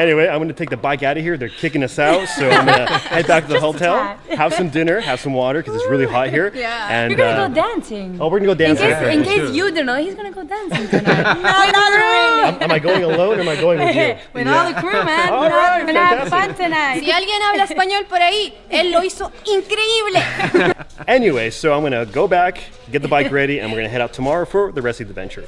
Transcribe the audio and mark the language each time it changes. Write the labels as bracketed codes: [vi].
[en] Anyway, I'm going to take the bike out of here. They're kicking us out, so I'm going to head back to the hotel, have some dinner, have some water, because it's really hot here. Yeah. And you're going to go dancing. Oh, we're going to go dancing. In case you don't know, he's going to go dancing tonight. No, not really. Am I going alone or am I going with you? All the crew, man. All right, we're going to have fun tonight. [es] Si alguien habla español por ahí, él lo hizo increíble. [en] Anyway, so I'm going to go back, get the bike ready, and we're going to head out tomorrow for the rest of the adventure.